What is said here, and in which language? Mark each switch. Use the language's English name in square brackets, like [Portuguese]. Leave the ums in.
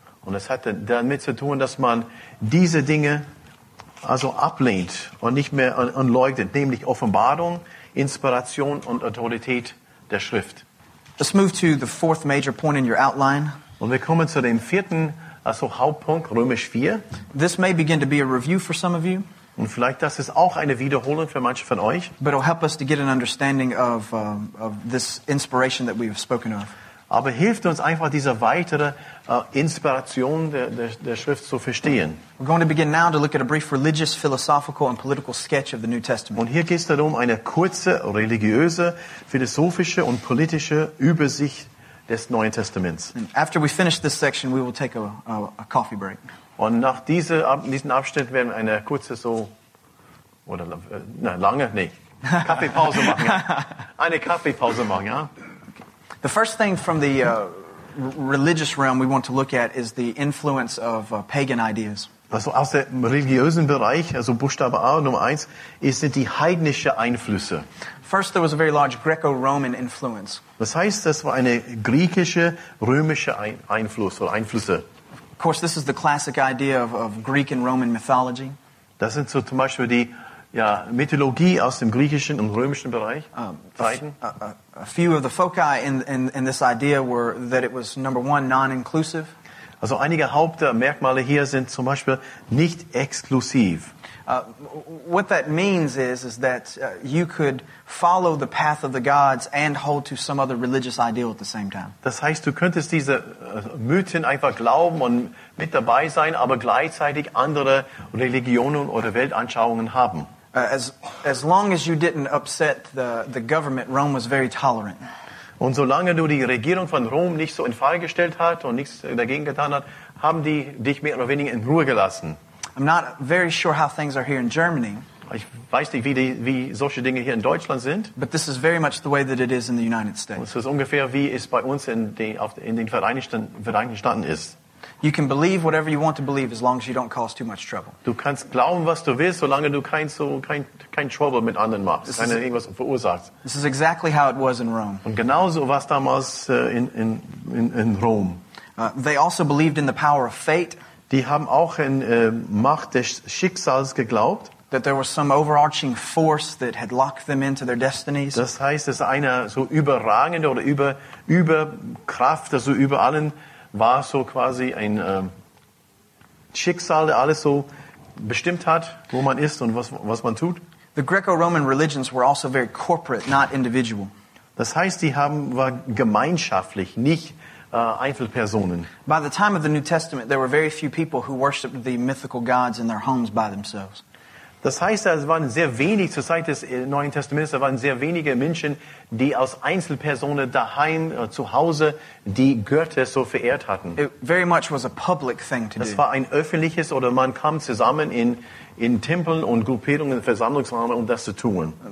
[German] And es hat [English] to do [German] tun, dass man diese Dinge also ablehnt und nicht mehr und leugnet, nämlich Offenbarung, Inspiration und Autorität der Scripture. [English] Let's move to the fourth major point in your outline. [German] Und wir kommen zu dem vierten also Hauptpunkt Römisch 4. [English] This may begin to be a review for some of you. [German] Und vielleicht das ist auch eine Wiederholung für manche von euch. [English] But it'll help us to get an understanding of, uh, of this inspiration that we have spoken of. [German] Aber hilft uns einfach diese weitere uh, Inspiration der, der, der, Schrift zu verstehen. [English] We're going to begin now to look at a brief religious, philosophical and political sketch of the New Testament. [German] Und hier geht es darum, eine kurze religiöse, philosophische und politische Übersicht des Neuen Testaments. [English] And after we finish this section, we will take a, a, a coffee break. [German] Und nach diese, diesem Abschnitt werden wir eine kurze so, oder äh, lange, nee, Kaffeepause machen. Ja. Eine Kaffeepause machen, ja. [English] The first thing from the religious realm we want to look at is the influence of pagan ideas. [German] Also aus dem religiösen Bereich, also Buchstabe A Nummer 1, sind die heidnische Einflüsse. [English] First there was a very large Greco-Roman influence. [German] Das heißt, das war eine griechische, römische Einfluss oder Einflüsse. [English] Of course, this is the classic idea of, of Greek and Roman mythology. [German] Das sind so zum Beispiel die Mythologie aus dem griechischen und römischen Bereich. [English] a, few of the foci in, in, in this idea were that it was number one, non-inclusive. [German] Also einige Hauptmerkmale hier sind zum Beispiel nicht exklusiv. [English] Uh, what that means is, is that uh, you could follow the path of the gods and hold to some other religious ideal at the same time. [German] Das heißt, du könntest diese uh, Mythen einfach glauben und mit dabei sein, aber gleichzeitig andere Religionen oder Weltanschauungen haben. [English] Uh, as, as long as you didn't upset the, the government, Rome was very tolerant. [German] Und solange du die Regierung von Rom nicht so in Frage gestellt hast und nichts dagegen getan hast, haben die dich mehr oder weniger in Ruhe gelassen. [English] I'm not very sure how things are here in Germany. [German] Ich weiß nicht, wie, die, wie solche Dinge hier in Deutschland sind. [English] But this is very much the way that it is in the United States. [German] Und es ist ungefähr wie es bei uns in, die, in den Vereinigten, Vereinigten Staaten ist. [English] You can believe whatever you want to believe as long as you don't cause too much trouble. [German] Du kannst glauben, was du willst, solange du kein so kein kein Trouble mit anderen machst, keine irgendwas verursachst. [English] This is exactly how it was in Rome. [German] Und genauso was damals in in in in Rom. [English] Uh, they also believed in the power of fate. [German] Die haben auch in uh, Macht des Schicksals geglaubt. [English] That there was some overarching force that had locked them into their destinies. [German] Das heißt, es eine so überragende oder über über Kraft, also über allen war so quasi ein Schicksal, alles so bestimmt hat, wo man ist und was, man tut. [English] The Greco-Roman religions were also very corporate, not individual. [German] Das heißt, die haben war gemeinschaftlich, nicht äh, Einzelpersonen. [English] By the time of the New Testament, there were very few people who worshipped the mythical gods in their homes by themselves. [German] Das heißt, es waren sehr wenig zur Zeit des Neuen Testaments, es waren sehr wenige Menschen, die als Einzelpersonen daheim, zu Hause, die Götter so verehrt hatten. It das do. war ein öffentliches, oder man kam zusammen in, in Tempeln und Gruppierungen, Versammlungsräume, um das zu tun.